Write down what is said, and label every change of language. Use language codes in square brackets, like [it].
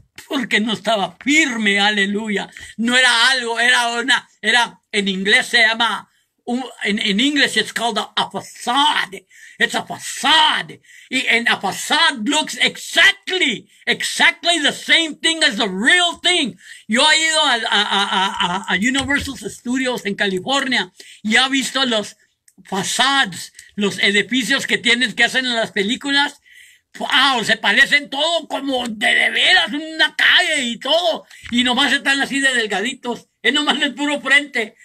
[es] Porque no estaba firme, aleluya. No era algo, era una, era, en inglés se llama [en] In English, it's called a facade. It's a facade. And a facade looks exactly the same thing as the real thing. [es] Yo he ido a Universal Studios en California y he visto los facades, los edificios que tienen que hacen en las películas. Wow, se parecen todo como de veras, una calle y todo. Y nomás están así de delgaditos. Es nomás el puro frente.